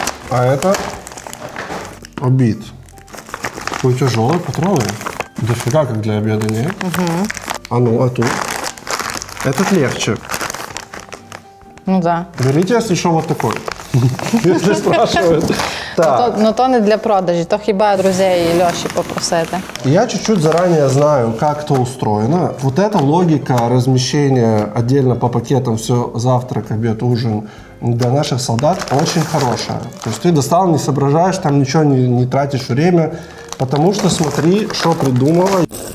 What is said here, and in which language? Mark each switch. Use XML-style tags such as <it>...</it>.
<ru>А это обед. Ой, тяжелый, потрогай. Дофига как для обеда, не? А ну, а тут? Этот легче. Ну да. Берите, если что, вот такой. Если спрашивают.</ru> <uk>Ну то</uk> <ru>не для продажи,</ru> <uk>то хіба друзей і Льоші попросити.</uk> <ru>Я чуть-чуть заранее знаю, как то устроено. Вот эта логика размещения отдельно по пакетам все завтрак, обед, ужин для наших солдат очень хорошая. То есть ты достал, не соображаешь, там ничего не тратишь время, потому что смотри, что придумала.</ru>